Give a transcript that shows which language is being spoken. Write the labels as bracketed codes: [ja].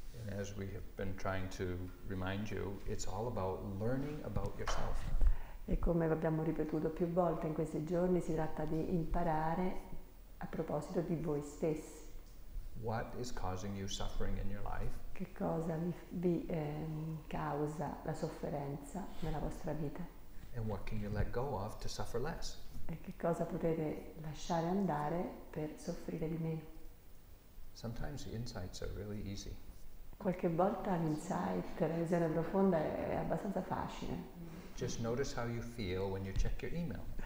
[en] And as we have been trying to remind you, it's all about learning about yourself. [it] E come abbiamo ripetuto più volte in questi giorni, si tratta di imparare a proposito di voi stessi. [en] What is causing you suffering in your life? [it] Che cosa vi causa la sofferenza nella vostra vita? [en] And what can you let go of to suffer less? [it] E che cosa potete lasciare andare per soffrire di meno? [en] Sometimes the insights are really easy. [it] Qualche volta l'insight, la visione profonda è abbastanza facile. [en] Just notice how you feel when you check your email.